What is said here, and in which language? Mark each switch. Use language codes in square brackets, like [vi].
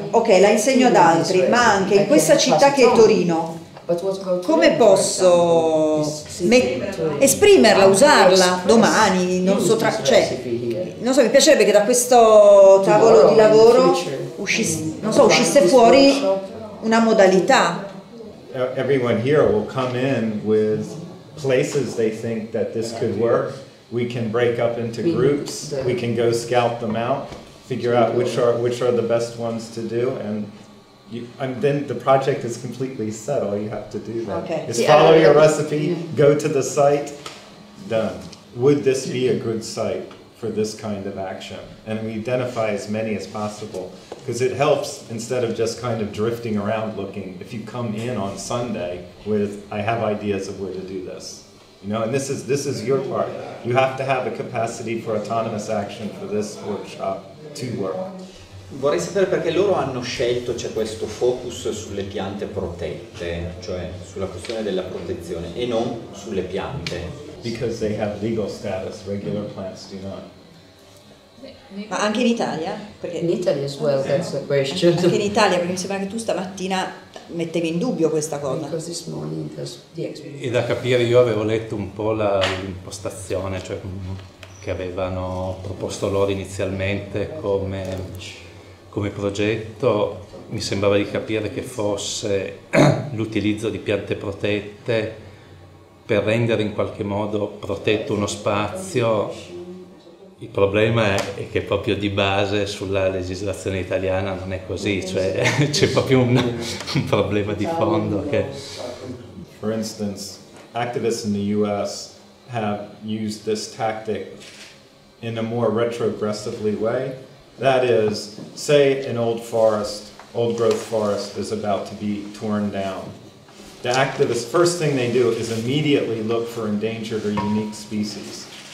[it] Ok, la insegno ad altri, ma anche in questa città che è Torino. Come posso esprimerla, usarla domani? Non so, mi piacerebbe che da questo tavolo di lavoro uscisse fuori una modalità. [en] Everyone here will come in with places they think that this could work. We can break up into groups. We can go scout them out, figure out which are the best ones to do, and then the project is completely set. All you have to do then is follow your recipe, go to the site, done. Would this be a good site for this kind of action? And we identify as many as possible, because it helps, instead of just kind of drifting around looking, if you come in on Sunday with, I have ideas of where to do this. You know, and this is your part. You have to have a capacity for autonomous action for this workshop to work. [it] Vorrei sapere perché loro hanno scelto, cioè, questo focus sulle piante protette, cioè sulla questione della protezione, e non sulle piante. [en] Because they have legal status, regular plants do not. [it] Ma anche in Italia? Perché in Italia [en] as well, that's the question. [it] Anche in Italia, perché mi sembra che tu stamattina mettevi in dubbio questa cosa. [en] Because this morning, the [it] e da capire, io avevo letto un po' l'impostazione, cioè, che avevano proposto loro inizialmente come progetto, mi sembrava di capire che fosse l'utilizzo di piante protette per rendere in qualche modo protetto uno spazio. Il problema è che proprio di base sulla legislazione italiana non è così, cioè c'è proprio un problema di fondo. Che... [en] For instance, activists in the US have used this tactic in a more retrogressively way. That is, say an old growth forest is about to be torn down. The activists, first thing they do is immediately look for endangered or unique species.